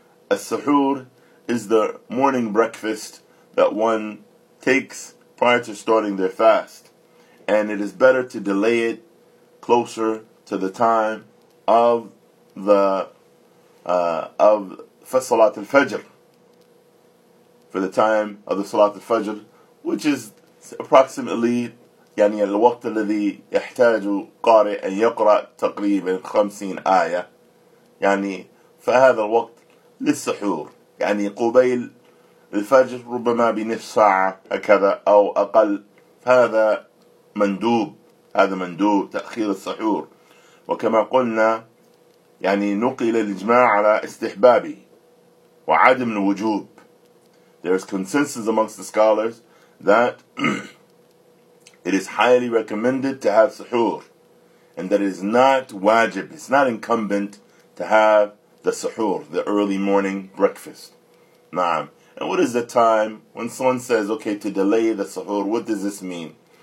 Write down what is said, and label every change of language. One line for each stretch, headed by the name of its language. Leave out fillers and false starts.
English: A sahur is the morning breakfast that one takes prior to starting their fast. And it is better to delay it closer to the time of the of Fasalat al-Fajr. For the time of the Salat al-Fajr, which is approximately
Arabic: يعني الوقت الذي يحتاج قارئ أن يقرأ تقريبا 50 آية. يعني فهذا الوقت للسحور. يعني قبيل الفجر ربما بنصف ساعة هكذا أو أقل. هذا مندوب، هذا مندوب تأخير السحور. وكما قلنا يعني نقل الإجماع على استحبابه وعدم الوجوب.
English: There is consensus amongst the scholars that it is highly recommended to have suhoor and that it is not wajib, it's not incumbent to have the suhoor, the early morning breakfast. Naam. And what is the time when someone says, okay, to delay the suhoor, what does this mean?